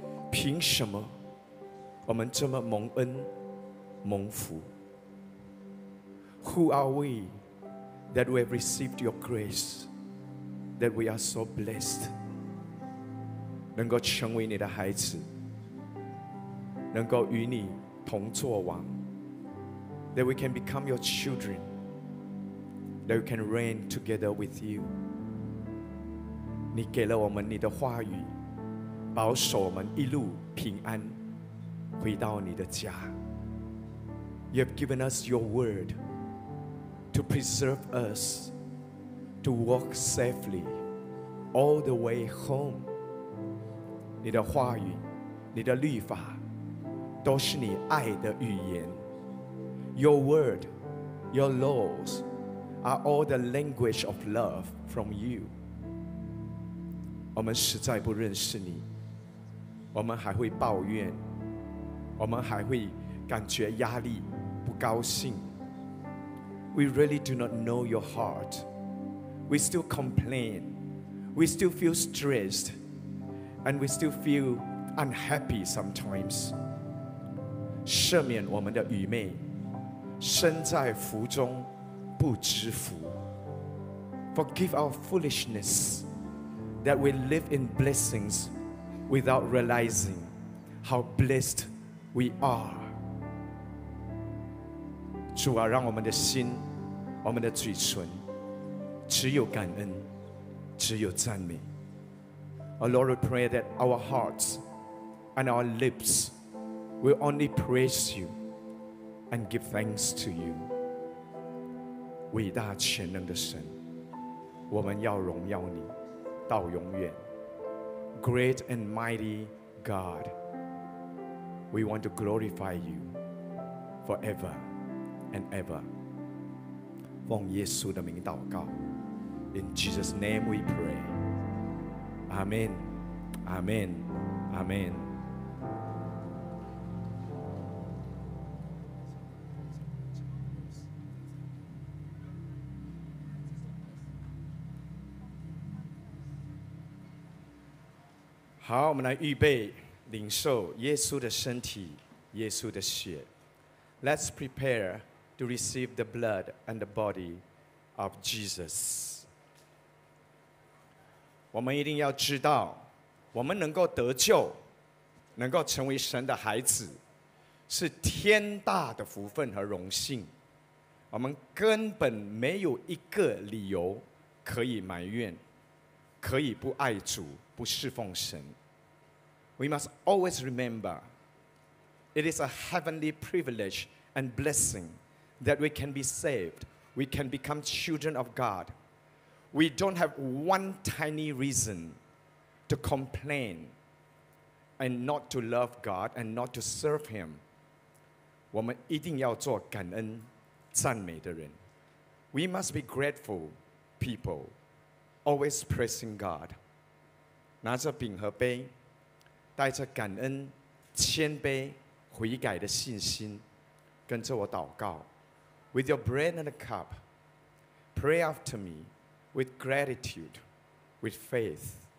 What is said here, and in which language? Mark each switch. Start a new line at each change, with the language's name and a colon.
Chinese: 凭什么我们这么蒙恩蒙福？
English: Who are we that we have received your grace, that we are so blessed
Chinese: 能够成为你的孩子，能够与你同作王，
English: that we can become your children, that we can reign together with you。
Chinese: 你给了我们你的话语，保守我们一路平安回到你的家。
English: You have given us your word to preserve us to walk safely all the way home。
Chinese: 你的话语，你的律法，都是你爱的语言。
English: Your word, your laws are all the language of love from you。
Chinese: 我们实在不认识你，我们还会抱怨，我们还会感觉压力不高兴。
English: We really do not know your heart. We still complain. We still feel stressed. And we still feel unhappy sometimes.
Chinese: 赦免我们的愚昧，身在福中不知福。
English: Forgive our foolishness that we live in blessings without realizing how blessed we are。
Chinese: 主啊，让我们的心，我们的嘴唇只有感恩，只有赞美。
English: Our Lord, we pray that our hearts and our lips will only praise you and give thanks to you。
Chinese: 伟大全能的神，我们要荣耀你到永远。
English: Great and mighty God,We want to glorify you forever and ever.
Chinese: 奉耶稣的名祷告。
English: In Jesus' name we pray. Amen. Amen. Amen.
Chinese: 好，我们来预备领受耶稣的身体，耶稣的血。
English: Let's prepare to receive the blood and the body of Jesus。
Chinese: 我们一定要知道，我们能够得救，能够成为神的孩子，是天大的福分和荣幸。我们根本没有一个理由可以埋怨，可以不爱主，不侍奉神。
English: We must always remember, it is a heavenly privilege and blessing that we can be saved, we can become children of God. We don't have one tiny reason to complain and not to love God and not to serve Him.
Chinese: 我们一定要做感恩赞美的人。
English: We must be grateful people, always praising God.
Chinese: 拿着饼和杯，带着感恩、谦卑、悔改的信心，跟着我祷告。
English: With your bread and a cup, pray after me with gratitude, with faith.